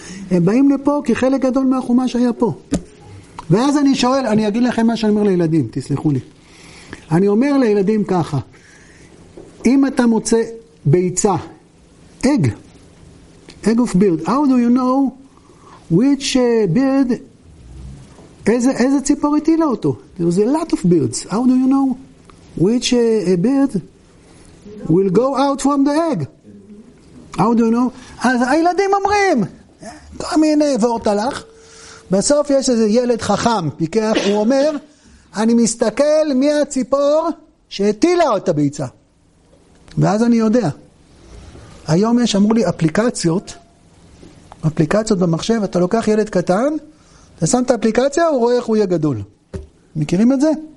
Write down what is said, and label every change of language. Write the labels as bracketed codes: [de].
[he] הם באים לפה כי חלק גדול מהחומש היה פה. ואז אני שואל, אני אגיד לכם מה שאני אומר לילדים, תסלחו לי. אני אומר לילדים ככה, אם אתה מוצא ביצה, egg of beard, how do you know which beard, איזה ציפור הטילה אותו? [en] There's a lot of beards, how do you know which beard will go out from the egg? How do you know? [he] אז הילדים אומרים, כל מיני ועוד הלך, בסוף יש איזה ילד חכם, פיקח, הוא אומר, אני מסתכל מי הציפור שהטילה את הביצה. ואז אני יודע. היום יש, אמרו לי, אפליקציות במחשב, אתה לוקח ילד קטן, אתה שם את האפליקציה, הוא רואה איך הוא יהיה גדול. מכירים את זה?